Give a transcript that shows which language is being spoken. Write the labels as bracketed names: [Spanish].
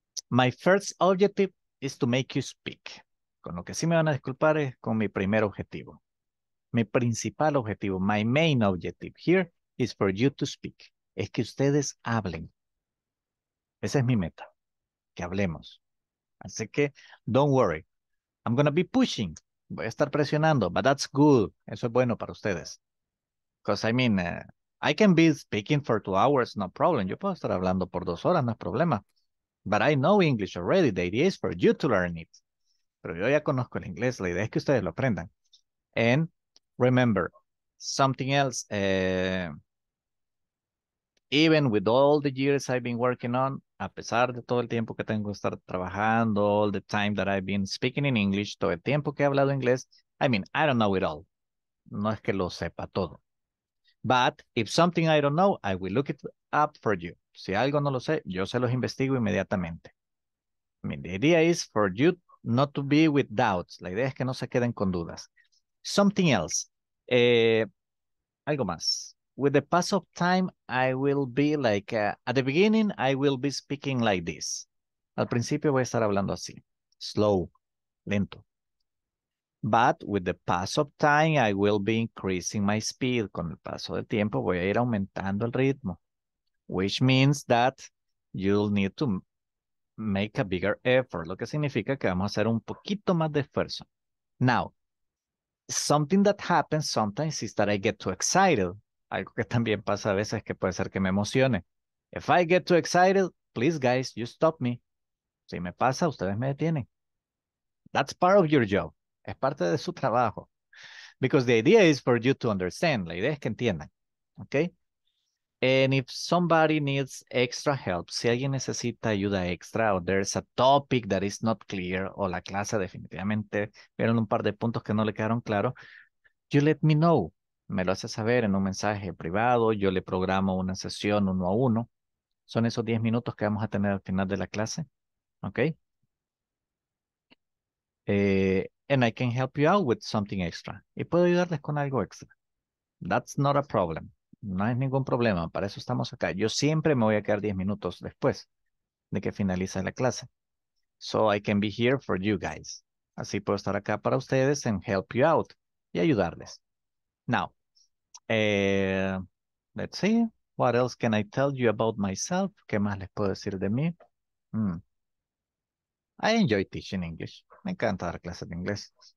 [English] My first objective is to make you speak. [Spanish] Con lo que sí me van a disculpar es con mi primer objetivo. Mi principal objetivo, [English] my main objective here is for you to speak. [Spanish] Es que ustedes hablen. Esa es mi meta, que hablemos. Así que, [English] don't worry. I'm going to be pushing. [Spanish] Voy a estar presionando, [English] but that's good. [Spanish] Eso es bueno para ustedes. [English] Because I mean, I can be speaking for 2 hours, no problem. [Spanish] Yo puedo estar hablando por 2 horas, no es problema. [English] But I know English already. The idea is for you to learn it. [Spanish] Pero yo ya conozco el inglés. La idea es que ustedes lo aprendan. [English] And remember, something else. Even with all the years I've been working on, [Spanish] a pesar de todo el tiempo que tengo que estar trabajando, [English] all the time that I've been speaking in English, [Spanish] todo el tiempo que he hablado inglés, [English] I mean, I don't know it all. [Spanish] No es que lo sepa todo. [English] But if something I don't know, I will look it up for you. [Spanish] Si algo no lo sé, yo se los investigo inmediatamente. [English] I mean, the idea is for you not to be with doubts. [Spanish] La idea es que no se queden con dudas. [English] Something else. [Spanish] Algo más. [English] With the pass of time, I will be like, at the beginning, I will be speaking like this. [Spanish] Al principio voy a estar hablando así. [English] Slow. [Spanish] Lento. [English] But with the pass of time, I will be increasing my speed. [Spanish] Con el paso del tiempo, voy a ir aumentando el ritmo. [English] Which means that you'll need to make a bigger effort. [Spanish] Lo que significa que vamos a hacer un poquito más de esfuerzo. [English] Now, something that happens sometimes is that I get too excited. [Spanish] Algo que también pasa a veces que puede ser que me emocione. [English] If I get too excited, please guys, you stop me. [Spanish] Si me pasa, ustedes me detienen. [English] That's part of your job. [Spanish] Es parte de su trabajo. [English] Because the idea is for you to understand. La idea es que entiendan. Okay? And if somebody needs extra help, [Spanish] si alguien necesita ayuda extra, [English] or there's a topic that is not clear, [Spanish] o la clase definitivamente, vieron un par de puntos que no le quedaron claro, [English] you let me know. [Spanish] Me lo hace saber en un mensaje privado, yo le programo una sesión uno a uno. Son esos 10 minutos que vamos a tener al final de la clase. [English] Okay? And I can help you out with something extra. [Spanish] Y puedo ayudarles con algo extra. [English] That's not a problem. [Spanish] No es ningún problema. Para eso estamos acá. Yo siempre me voy a quedar 10 minutos después de que finalice la clase. [English] So I can be here for you guys. [Spanish] Así puedo estar acá para ustedes [English] and help you out [Spanish] y ayudarles. [English] Now, let's see. What else can I tell you about myself? [Spanish] ¿Qué más les puedo decir de mí? [English] I enjoy teaching English. [Spanish] Me encanta dar clases de inglés.